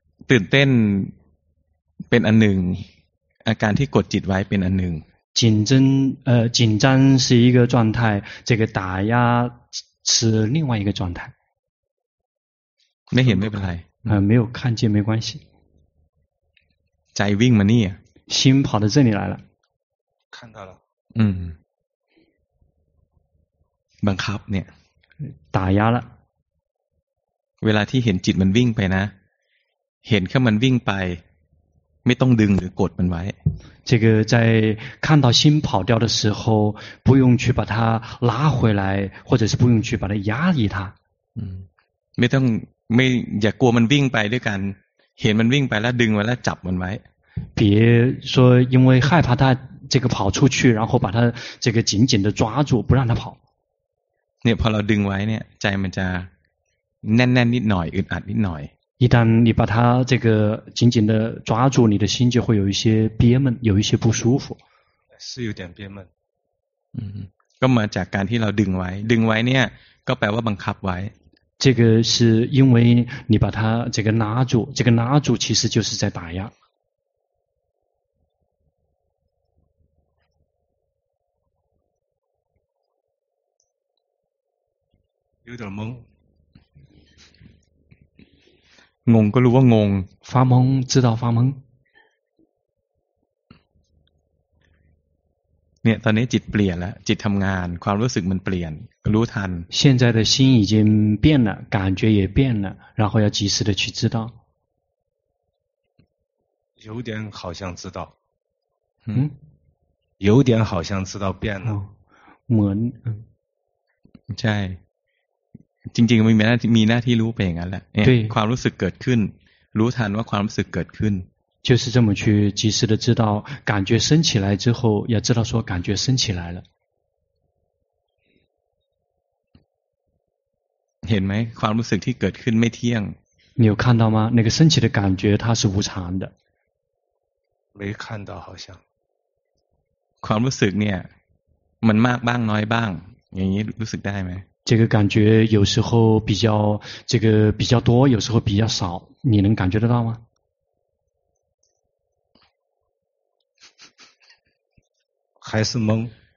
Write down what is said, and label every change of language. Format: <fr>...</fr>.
<th>ตื่นเต้นเป็นอันหนึ่งอาการที่กดจิตไว้เป็นอันหนึ่ง</th> <zh>紧张是一个状态这个打压是另外一个状态</zh> <th>ไม่เห็นไม่เป็นไร</th> <zh>没有看见没关系</zh> <th>ใจวิ่งมานี่</th> <zh>心跑到这里来了看到了</zh> <th>บังคับเนี่ย ตายาละ เวลาที่เห็นจิตมันวิ่งไปนะเห็นแค่มันวิ่งไปไม่ต้องดึงหรือกดมันไว้</th> <zh>这个在看到心跑掉的时候不用去把它拉回来或者是不用去把它压抑它</zh> <th>ไม่ต้องไม่อย่ากลัวมันวิ่งไปด้วยกันเห็นมันวิ่งไปแล้วดึงไว้แล้วจับมันไว้</th> <zh>别说因为害怕它这个跑出去然后把它这个紧紧的抓住不让它跑</zh> <th>เนี่ยพอเราดึงไว้เนี่ยใจมันจะแน่นๆ นิดหน่อยอึดอัดนิดหน่อย</th> <zh>一旦你把它这个紧紧的抓住你的心就会有一些憋闷有一些不舒服是有点憋闷</zh> <th>ก็มาจากการที่เราดึงไว้ดึงไว้เนี่ยก็แปลว่าบังคับไว้</th> <zh>这个是因为你把它这个拉住这个拉住其实就是在打压有点懵</zh> <th>งงก็รู้ว่างง</th> <zh>发懵知道发懵</zh> <th>เนี่ยตอนนี้จิตเปลี่ยนแล้วจิตทำงานความรู้สึกมันเปลี่ยนรู้ทัน</th> <zh>现在的心已经变了感觉也变了然后要及时的去知道有点好像知道嗯有点好像知道变了</zh> <th>เหมือน ใช่จริงๆมีหน้าที่รู้ไปอย่างนั้นแหละความรู้สึกเกิดขึ้นรู้ทันว่าความรู้สึกเกิดขึ้น</th> <zh>就是这么去及时的知道感觉升起来之后要知道说感觉升起来了</zh> <th>เห็นไหมความรู้สึกที่เกิดขึ้นไม่เที่ยง</th> <zh>你有看到吗那个升起的感觉它是无常的没看到好像</zh> <th>ความรู้สึกเนี่ยมันมากบ้างน้อยบ้าง</th> <zh>你有时带没？这个感觉有时候比较这个比较多，有时候比较少，你能感觉得到吗？还是懵。</zh>